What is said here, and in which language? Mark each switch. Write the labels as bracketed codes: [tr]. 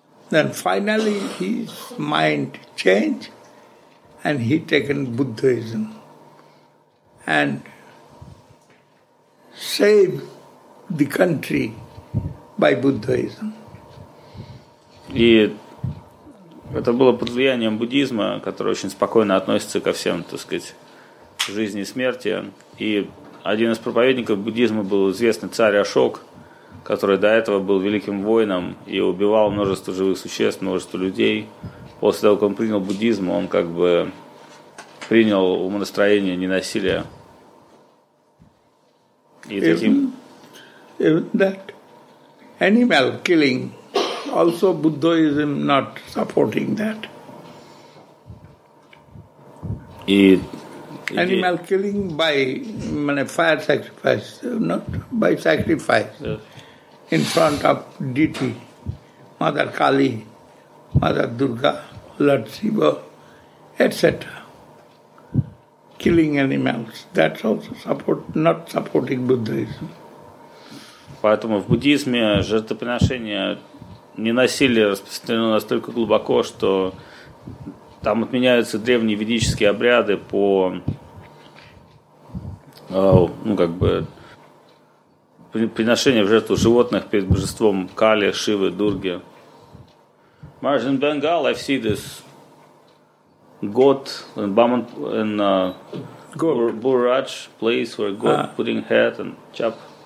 [en] Then finally his mind changed and he taken Buddhism and saved the country by Buddhism. [ru] И это было под влиянием буддизма, который очень спокойно относится ко всем, так сказать, жизни и смерти. И один из проповедников буддизма был известный царь Ашок, который до этого был великим воином и убивал множество живых существ, множество людей. После того, как он принял буддизм, он как бы принял умонастроение ненасилия. И таким... [en] Even that animal killing, also Buddhism not supporting that. [ru] И... [en] Animal killing by fire sacrifice, not by sacrifice. Yes. In front of deity, Mother Kali, Mother Durga, Lord Shiva, etc. Killing animals. That's also support, not supporting Buddhism. [ru] Поэтому в буддизме жертвоприношение ненасилия распространено настолько глубоко, что там отменяются древние ведические обряды по, ну, как бы, приношение в жертву животных перед божеством Кали, Шивы, Дурги. [en] Maharaj, in Bengal, I see this goat in Buraj place where goat putting head and chop.